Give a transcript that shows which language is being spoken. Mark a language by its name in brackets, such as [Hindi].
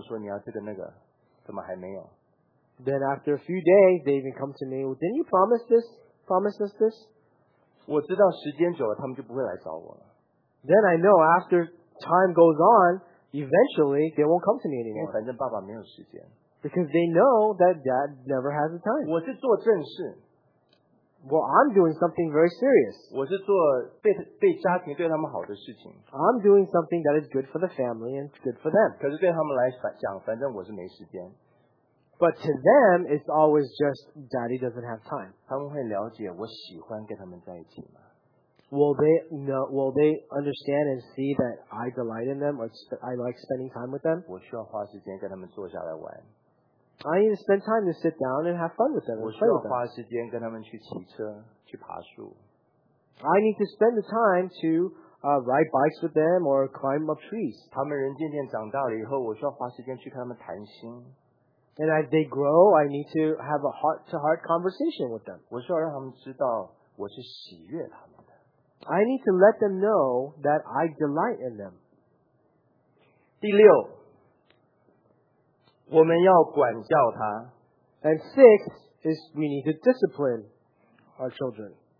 [Chinese] 过了一天，过了两天，孩子回来，爸爸，你不是跟我说你要这个那个，怎么还没有？ [English] Then after a few days, they even come to me. Didn't you promise this? Promise us this? [Chinese] 我知道时间久了，他们就不会来找我了。 [English] Then I know after time goes on, eventually they won't come to me anymore. [Chinese] 因为反正爸爸没有时间。 [English] Because they know that dad never has the time. [Chinese] 我是做正事。 [English] Well, I'm doing something very serious. [Chinese] 我是做对家庭对他们好的事情。 [English] I'm doing something that is good for the family and good for them. [Chinese] 可是对他们来讲，反正我是没时间。 [English] But to them, it's always just daddy doesn't have time. [Chinese] 他们会了解我喜欢跟他们在一起吗？ [English] Will they understand and see that I delight in them or I like spending time with them? [Chinese] 我需要花时间跟他们坐下来玩。 [English] I need to spend time to sit down and have fun with them. [Chinese] 我需要花时间跟他们去骑车，去爬树。 [English] I need to spend the time to ride bikes with them or climb up trees. [Chinese] 他们人渐渐长大了以后，我需要花时间去跟他们谈心。 [English] And as they grow, I need to have a heart-to-heart conversation with them. [Chinese] 我需要让他们知道我是喜悦他们的。 [English] I need to let them know that I delight in them. [Chinese] 第六。我们要管教他。 [English] And six is we need to discipline our children.